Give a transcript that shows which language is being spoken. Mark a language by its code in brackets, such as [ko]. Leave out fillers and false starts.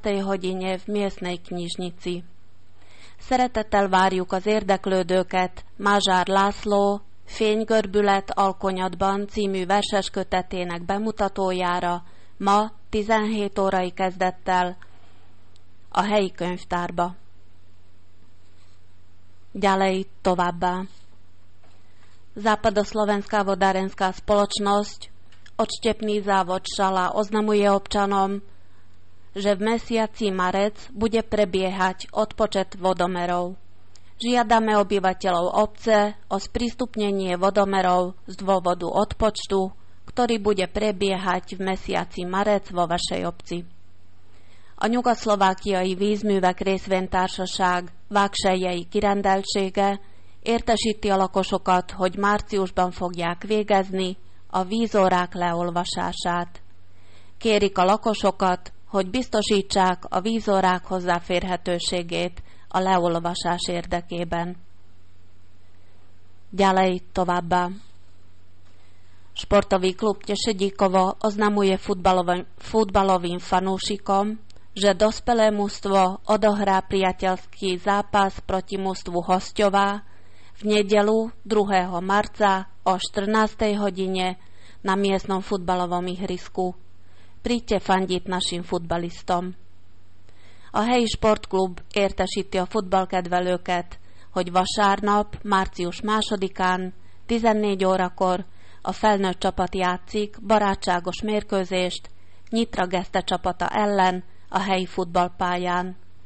[sk] hodine v miestnej knižnici. [hu] Szeretettel várjuk az érdeklődőket Mazsár László Fénygörbület alkonyatban című verses kötetének bemutatójára ma 17 órai kezdettel a helyi könyvtárba. [sk] Ďalej [hu] továbbá. [sk] Západoslovenská vodárenská spoločnosť Odštepný závod Šala oznamuje občanom, že v mesiaci marec bude prebiehať odpočet vodomerov. Žiadame obyvateľov obce o sprístupnenie vodomerov z dôvodu odpočtu, ktorý bude prebiehať v mesiaci marec vo vašej obci. [hu] A nyugoszlovákiai vízművek részvénytársaság Vágsejjei kirendeltsége értesíti a lakosokat, hogy márciusban fogják végezni a vízórák leolvasását. Kérik a lakosokat, hogy biztosítsák a vízórák hozzáférhetőségét a leolvasás érdekében. [sk] Ďalej [hu] továbbá. [sk] Sportový klub Tešedíkovo oznamuje futbalovým fanúšikom, že dospelé mužstvo odohrá priateľský zápas proti mužstvu Hosťová v nedeľu 2. marca o 14. hodine na miestnom futbalovom ihrisku. Príďte fandiť našim futbalistom. [hu] A helyi sportklub értesíti a futballkedvelőket, hogy vasárnap, március 2-án, 14 órakor a felnőtt csapat játszik barátságos mérkőzést Nyitra Geszte csapata ellen a helyi futballpályán.